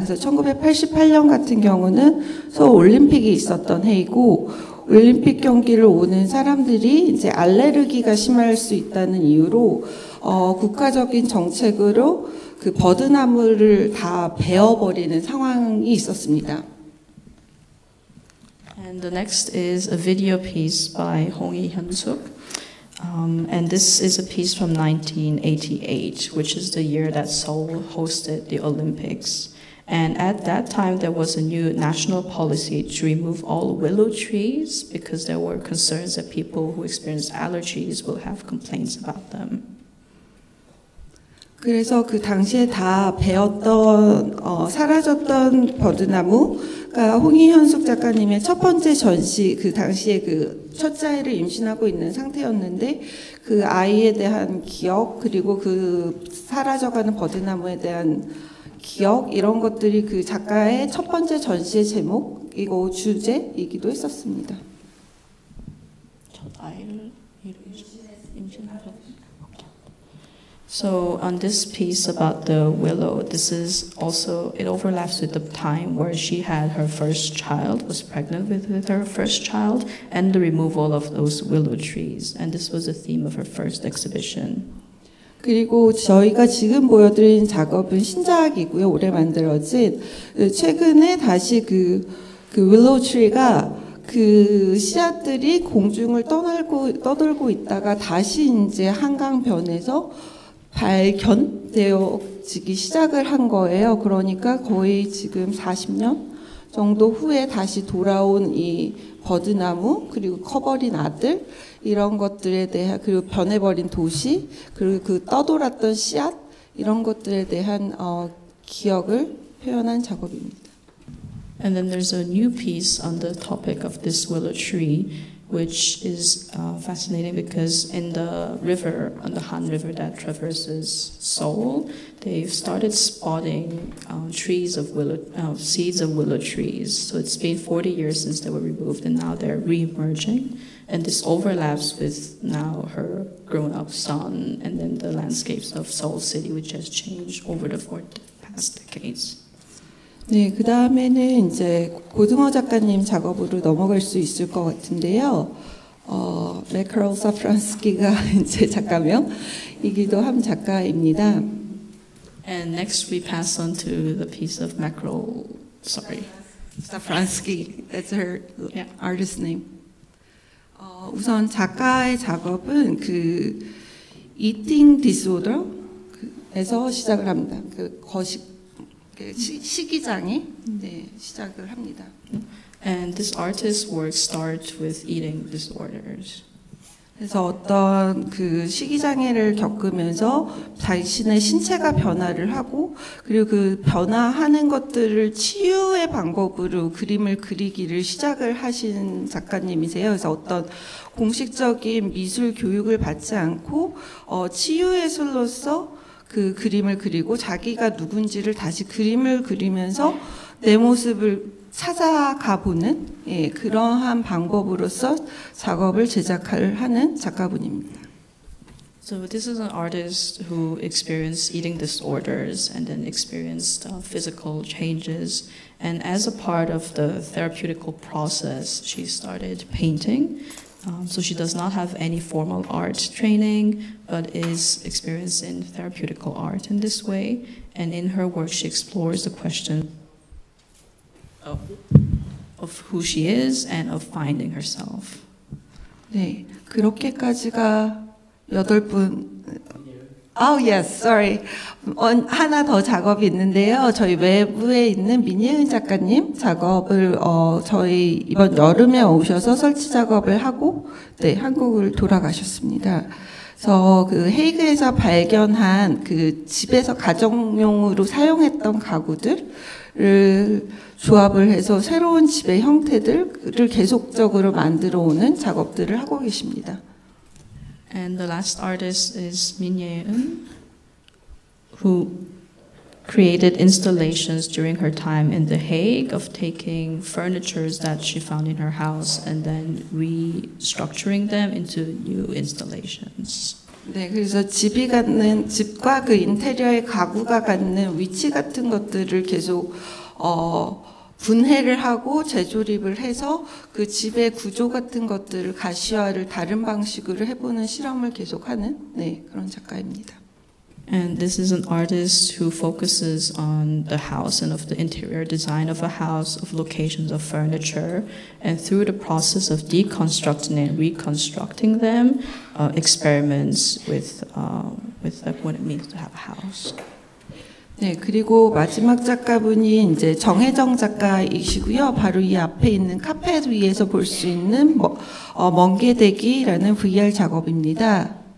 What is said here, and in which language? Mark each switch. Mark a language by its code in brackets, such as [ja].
[ko] 그래서 1988년 같은 경우는 서울 올림픽이 있었던 해이고 올림픽 경기를 오는 사람들이 이제 알레르기가 심할 수 있다는 이유로 국가적인 정책으로 그 버드나무를 다 베어버리는 상황이 있었습니다. [en] And the next is a video piece by Hong Hyun-suk. And this is a piece from 1988, which is the year that Seoul hosted the Olympics. And at that time, there was a new national policy to remove all willow trees because there were concerns that people who experienced allergies will have complaints about them. [ko] 그래서 그 당시에 다 베었던 사라졌던 버드나무가 홍희현숙 작가님의 첫 번째 전시, 그 당시에 그 첫째 아이를 임신하고 있는 상태였는데 그 아이에 대한 기억 그리고 그 사라져가는 버드나무에 대한 기억 이런 것들이 그 작가의 첫 번째 전시의 제목이고 주제이기도 했었습니다. 첫 아이를 임신하셨습니다. [en] So on this piece about the willow, this is also, it overlaps with the time where she had her first child, was pregnant with her first child, and the removal of those willow trees. And this was the theme of her first exhibition. [ko] 그리고 저희가 지금 보여드린 작업은 신작이고요, 올해 만들어진. 최근에 다시 그 willow tree가 그 씨앗들이 공중을 떠돌고 있다가 다시 이제 한강변에서 발견되어지기 시작을 한 거예요. 그러니까 거의 지금 40년 정도 후에 다시 돌아온 이 버드나무 그리고 커버린 아들 이런 것들에 대한 그리고 변해버린 도시 그리고 그 떠돌았던 씨앗 이런 것들에 대한 기억을 표현한 작업입니다. [en] And then there's a new piece on the topic of this willow tree. Which is fascinating because in the river, on the Han River that traverses Seoul, they've started spotting trees of willow, seeds of willow trees. So it's been 40 years since they were removed and now they're re-emerging. And this overlaps with now her grown-up son and then the landscapes of Seoul City, which has changed over the past decades. [ko] 네, 그 다음에는 이제 고등어 작가님 작업으로 넘어갈 수 있을 것 같은데요. 메카롤 사프란스키가 이제 작가명이기도 한 작가입니다. [en] And next we pass on to the piece of Meckerel, sorry. Saffransky, that's her artist name. [ko] 우선 작가의 작업은 그 eating disorder에서 시작을 합니다. 그 거식 식이장애 네, 시작을 합니다. [en] And this artist's work starts with eating disorders. [ko] 그래서 어떤 그 식이장애를 겪으면서 자신의 신체가 변화를 하고 그리고 그 변화하는 것들을 치유의 방법으로 그림을 그리기를 시작을 하신 작가님이세요. 그래서 어떤 공식적인 미술 교육을 받지 않고 치유 예술로서 그 그림을 그리고 자기가 누군지를 다시 그림을 그리면서 내 모습을 찾아가 보는 예, 그러한 방법으로서 작업을 제작하는 작가분입니다. [en] So this is an artist who experienced eating disorders and then experienced physical changes. And as a part of the therapeutical process, she started painting. So she does not have any formal art training, but is experienced in therapeutic art in this way. And in her work, she explores the question of who she is and of finding herself. [ko] 네, 그렇게까지가 여덟 분. [en] Oh yes, sorry. [ko] 하나 더 작업이 있는데요. 저희 외부에 있는 민예은 작가님 작업을 저희 이번 여름에 오셔서 설치 작업을 하고 네, 한국을 돌아가셨습니다. 그래서 그 헤이그에서 발견한 그 집에서 가정용으로 사용했던 가구들을 조합을 해서 새로운 집의 형태들을 계속적으로 만들어 오는 작업들을 하고 계십니다. [en] And the last artist is Min Ye-eun, who created installations during her time in The Hague of taking furnitures that she found in her house and then restructuring them into new installations. [ko] 네, 그래서 집이 갖는 집과 그 인테리어의 가구가 갖는 위치 같은 것들을 계속 분해를 하고 재조립을 해서 그 집의 구조 같은 것들을 가시화를 다른 방식으로 해보는 실험을 계속하는 네, 그런 작가입니다. [en] And this is an artist who focuses on the house and of the interior design of a house, of locations of furniture, and through the process of deconstructing and reconstructing them, experiments with what it means to have a house. [ko] 네, 그리고 마지막 작가분이 이제 정혜정 작가이시고요. 바로 이 앞에 있는 카펫 위에서 볼 수 있는 멍게대기라는 VR 작업입니다.